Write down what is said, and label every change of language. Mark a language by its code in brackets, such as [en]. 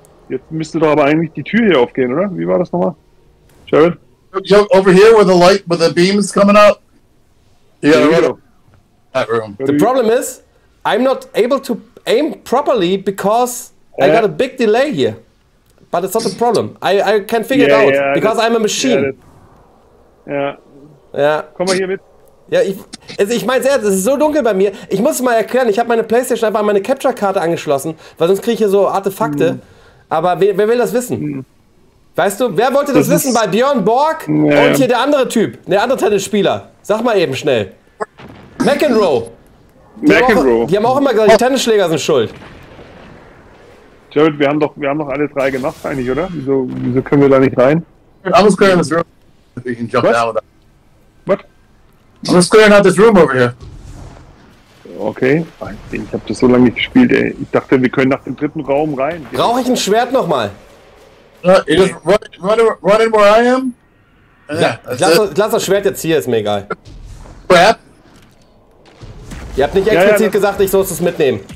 [de] Jetzt müsste doch aber eigentlich die Tür hier aufgehen, oder? Wie war das nochmal? Jared? [en] Over here where the light, where the beam is coming out. Yeah, there you go. That room. The problem is, I'm not able to aim properly because I got a big delay here. But it's not a problem. I can figure it out because I'm a machine. [de] Yeah. Komm mal hier mit. Ja, ich meine es, es ist so dunkel bei mir. Ich muss es mal erklären, ich habe meine PlayStation einfach an meine Capture-Karte angeschlossen, weil sonst kriege ich hier so Artefakte. Aber wer will das wissen? Weißt du, wer wollte das wissen? Bei Björn Borg und hier der andere Typ, der andere Tennisspieler. Sag mal eben schnell. McEnroe. Die haben auch immer gesagt, die Tennisschläger sind schuld. Jared, wir haben doch alle drei gemacht eigentlich, oder? Wieso können wir da nicht rein? [en] I'm just clearing this room. We can jump out. What? I'm just clearing out this room over here. Okay. [de] Ich hab das so lange nicht gespielt, ey. Ich dachte, wir können nach dem dritten Raum rein. Brauche ich ein Schwert nochmal? [en] You just run in where I am? [de] Lass das Schwert jetzt hier, ist mir egal. Schwert? Ihr habt nicht explizit gesagt, ich soll es mitnehmen.